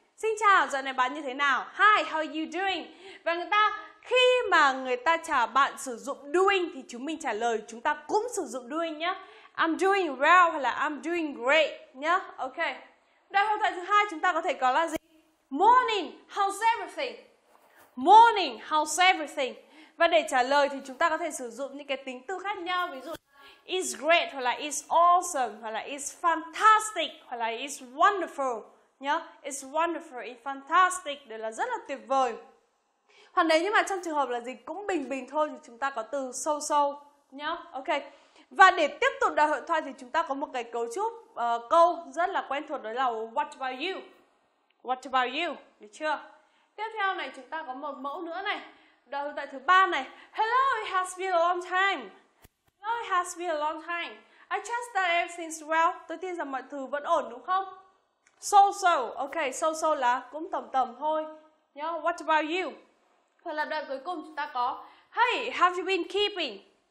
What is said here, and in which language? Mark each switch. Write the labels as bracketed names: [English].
[Vietnamese] Xin chào, dạo này bạn như thế nào? [English] Hi, how are you doing? [Vietnamese] Và người ta, khi mà người ta chào bạn sử dụng doing thì chúng mình trả lời chúng ta cũng sử dụng doing nhé. [English] I'm doing well [Vietnamese] hoặc là [English] I'm doing great [Vietnamese] nhé. Ok, đoạn hội thoại thứ hai chúng ta có thể có là gì? [English] Morning, how's everything? Morning, how's everything? [Vietnamese] Và để trả lời thì chúng ta có thể sử dụng những cái tính từ khác nhau. Ví dụ [English] it's great [Vietnamese] hoặc là [English] it's awesome [Vietnamese] hoặc là [English] it's fantastic [Vietnamese] hoặc là [English] it's wonderful [Vietnamese] nhá. [English] It's wonderful, it's fantastic, [Vietnamese] đều là rất là tuyệt vời. Hoặc nếu như mà trong trường hợp là gì cũng bình bình thôi thì chúng ta có từ so-so nhá. Ok, và để tiếp tục đoạn hội thoại thì chúng ta có một cái cấu trúc câu rất là quen thuộc, đó là [English] what about you? What about you? [Vietnamese] Được chưa? Tiếp theo này chúng ta có một mẫu nữa này, đoạn hội thoại thứ ba này. [English] Hello, it has been a long time. Oh, it has been a long time. I trust that everything's well. [Vietnamese] Tôi tin rằng mọi thứ vẫn ổn, đúng không? [English] So-so. [Vietnamese] Ok, so-so là cũng tầm tầm thôi. Nhớ, [English] what about you? [Vietnamese] Hoặc là đoạn cuối cùng chúng ta có [English] hey, have you been keeping?